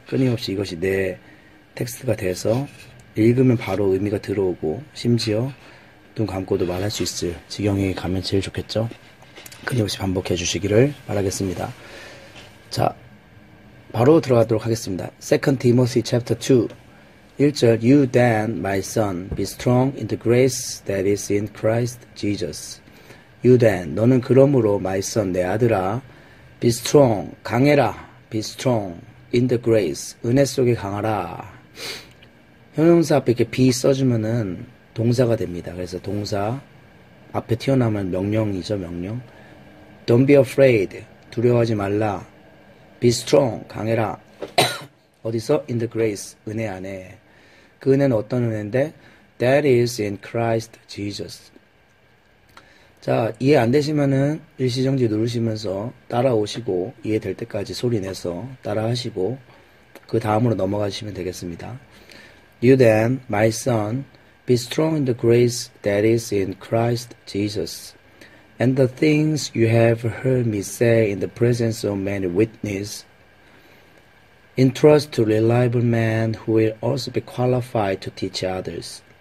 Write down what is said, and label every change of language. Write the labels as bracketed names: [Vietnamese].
[Korean] 끊임없이 이것이 내 텍스트가 돼서 읽으면 바로 의미가 들어오고 심지어 눈 감고도 말할 수 있을 지경에 가면 제일 좋겠죠. 끊임없이 반복해 주시기를 바라겠습니다. 자, 바로 들어가도록 하겠습니다. [English] 2 Timothy chapter 2. 1절, You then, my son, be strong in the grace that is in Christ Jesus. You then, [Korean] 너는 그러므로, [English] my son, [Korean] 내 아들아, [English] be strong, [Korean] 강해라, [English] be strong in the grace, [Korean] 은혜 속에 강하라. 형용사 앞에 이렇게 be 써주면은 동사가 됩니다. 그래서 동사 앞에 튀어나오면 명령이죠, 명령. [English] Don't be afraid. [Korean] 두려워하지 말라. [English] Be strong. [Korean] 강해라. 어디서? [English] In the grace. [Korean] 은혜 안에. 그 은혜는 어떤 은혜인데? [English] That is in Christ Jesus. [Korean] 자, 이해 안 되시면은 일시정지 누르시면서 따라오시고, 이해될 때까지 소리 내서 따라하시고, 그 다음으로 넘어가시면 되겠습니다. [English] You then, my son, be strong in the grace that is in Christ Jesus. And the things you have heard me say in the presence of many witnesses, entrust to reliable men who will also be qualified to teach others.